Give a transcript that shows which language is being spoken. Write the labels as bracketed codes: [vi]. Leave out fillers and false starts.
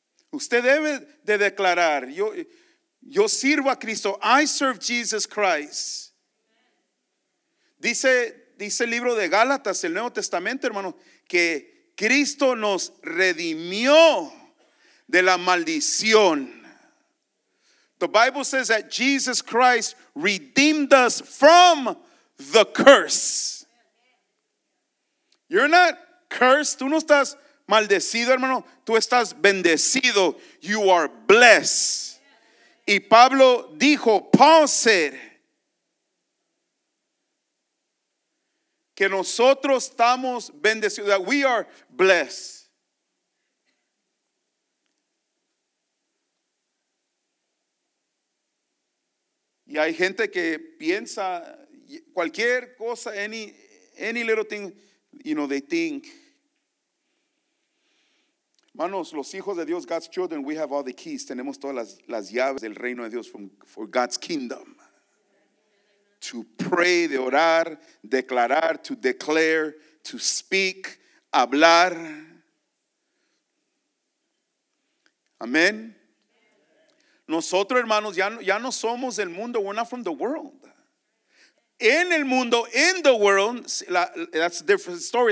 [es] Usted debe de declarar. Yo sirvo a Cristo. [en] I serve Jesus Christ. [es] Dice el libro de Gálatas, el Nuevo Testamento, hermano, que Cristo nos redimió de la maldición. [en] The Bible says that Jesus Christ redeemed us from the curse. You're not cursed. [es] Tú no estás maldecido, hermano. Tú estás bendecido. [en] You are blessed. [es] Y Pablo dijo, [en] Paul said, [es] que nosotros estamos bendecidos. [en] That we are blessed. [es] Y hay gente que piensa cualquier cosa, [en] any little thing, you know, they think. [es] Manos, los hijos de Dios, [en] God's children, we have all the keys. [es] Tenemos todas las llaves del reino de Dios [en] for God's kingdom. To pray, [es] de orar, declarar, [en] to declare, to speak, hablar. [es] Amén. Nosotros, hermanos, ya no somos del mundo. [en] We're not from the world. [es] En el mundo, [en] in the world, that's a different story.